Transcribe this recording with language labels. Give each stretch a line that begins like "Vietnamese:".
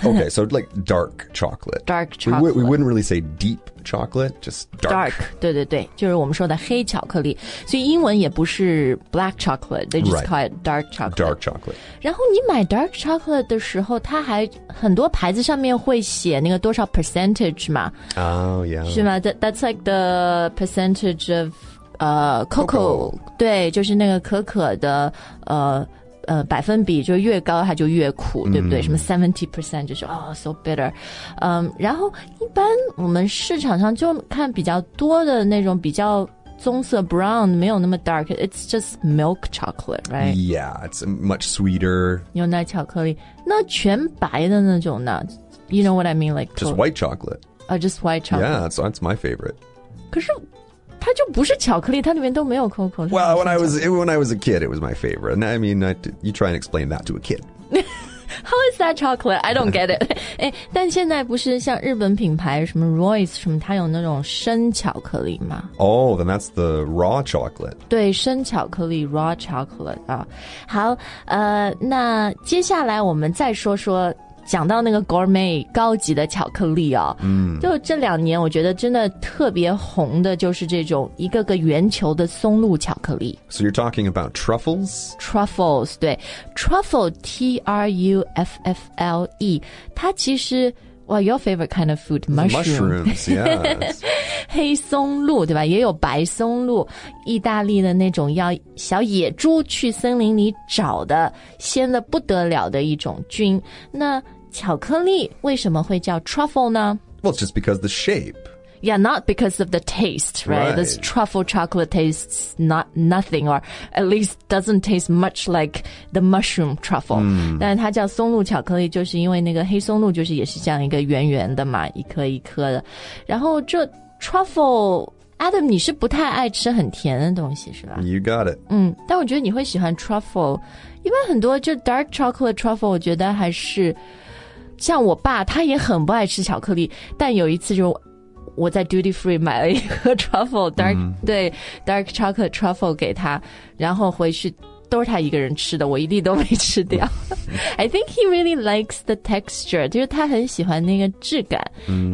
English: OK so like dark chocolate Dark chocolate we wouldn't really say deepchocolate just dark.
Chinese: dark 对对对就是我们说的黑巧克力所以英文也不是 black chocolate
English: they just、 right. call it dark chocolate dark chocolate
Chinese: 然后你买 dark chocolate 的时候它还很多牌子上面会写那个多少 percentage 嘛
English: oh yeah
Chinese: 是吗
English: that's like the percentage of cocoa
Chinese: 对就是那个可可的百分比就越高它就越苦对不对、mm. 什么 70% 就是
English: oh so bitter、
Chinese: 然后一般我们市场上就看比较多的那种比较棕色 brown 没有那么 dark
English: it's just milk chocolate right yeah it's much sweeter
Chinese: 牛奶巧克力那全白的那种呢
English: you know what I mean like just white chocolate oh just white chocolate yeah that's my favorite
Chinese: 可是它就不是巧克力，它里面都没有可可。
English: Well, when I was a kid, it was my favorite. And I mean, you try and explain that to a kid. How is that chocolate? I don't get it.
Chinese: 哎，但现在不是像日本品牌什么 Royce 什么，它有那种生巧克力吗
English: ？Oh, then that's the raw chocolate.
Chinese: 对，生巧克力 raw chocolate 啊。好，那接下来我们再说说。讲到那个 gourmet 高级的巧克力哦、嗯、就这两年我觉得真的特别红的就是这种一个个圆球的松露巧克力
English: So you're talking about truffles? Truffles 对 Truffle T-R-U-F-F-L-E
Chinese: 它其实
English: well, Your favorite kind of food mushrooms, mushrooms yes
Chinese: 黑松露对吧也有白松露意大利的那种要小野猪去森林里找的鲜的不得了的一种菌那巧克力为什么会叫 truffle 呢
English: Well, it's just because the shape Yeah, not because of the taste, right? right? This truffle chocolate tastes nothing or at least doesn't taste much like the mushroom truffle、 mm.
Chinese: 但它叫松露巧克力就是因为那个黑松露就是也是这样一个圆圆的嘛一颗一颗的然后这Truffle, Adam, 你是不太爱吃很甜的东西是吧
English: You got it.
Chinese: 嗯，但我觉得你会喜欢 truffle. 一般很多就 dark chocolate truffle, 我觉得还是像我爸他也很不爱吃巧克力但有一次就我在 duty free 买了一个 truffle dark、mm. 对 dark chocolate truffle 给他，然后回去都是他一个人吃的，我一粒都没吃掉。
English: I think he really likes the texture,
Chinese: 就是他很喜欢那个质感、
English: mm.